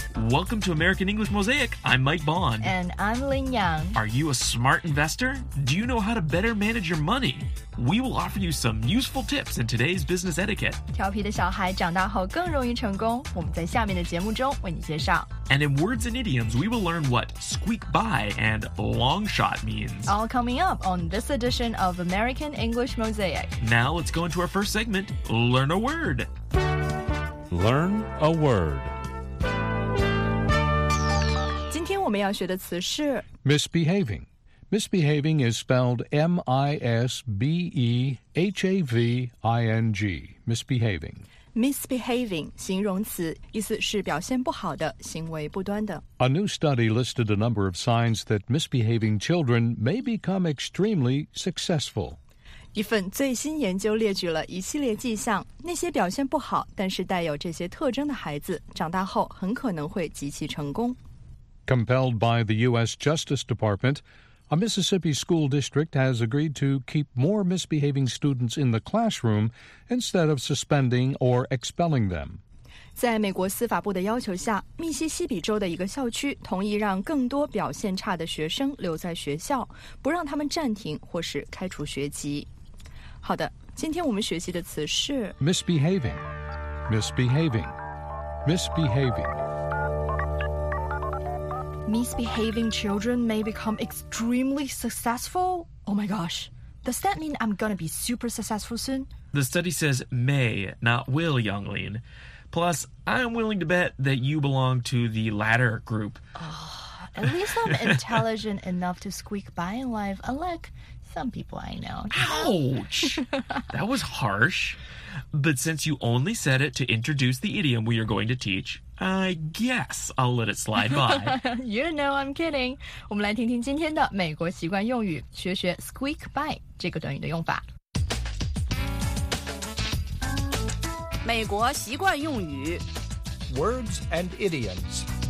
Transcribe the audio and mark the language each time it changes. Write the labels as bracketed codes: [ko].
[en] Welcome to American English Mosaic. I'm Mike Bond. And I'm Lin Yang. Are you a smart investor? Do you know how to better manage your money? We will offer you some useful tips in today's business etiquette. [zh] 调皮的小孩长大后更容易成功，我们在下面的节目中为你介绍。 [en] And in words and idioms, we will learn what squeak by and long shot means. All coming up on this edition of American English Mosaic. Now let's go into our first segment, Learn a Word. Learn a Word. [zh] 我们要学的词是 [en] misbehaving. Misbehaving is spelled M-I-S-B-E-H-A-V-I-N-G. Misbehaving. [zh] Misbehaving, 形容词，意思是表现不好的，行为不端的。 [en] A new study listed a number of signs that misbehaving children may become extremely successful. [zh] 一份最新研究列举了一系列迹象，那些表现不好，但是带有这些特征的孩子，长大后很可能会极其成功。 [en] Compelled by the U.S. Justice Department, a Mississippi school district has agreed to keep more misbehaving students in the classroom instead of suspending or expelling them. [zh] 在美国司法部的要求下，密西西比州的一个校区同意让更多表现差的学生留在学校，不让他们暂停或是开除学籍。好的，今天我们学习的词是 [en] misbehaving, misbehaving, misbehaving. Misbehaving children may become extremely successful? Oh my gosh, does that mean I'm gonna be super successful soon? The study says may, not will, Yang Lin. Plus, I'm willing to bet that you belong to the latter group. Oh, at least I'm intelligent enough to squeak by in life, unlike some people I know. Ouch! That was harsh. But since you only said it to introduce the idiom we are going to teach... I guess I'll let it slide by. You know I'm kidding. [zh] 我们来听听今天的美国习惯用语，学学 squeak by 这个短语的用法。美国习惯用语 [en] Words and idioms.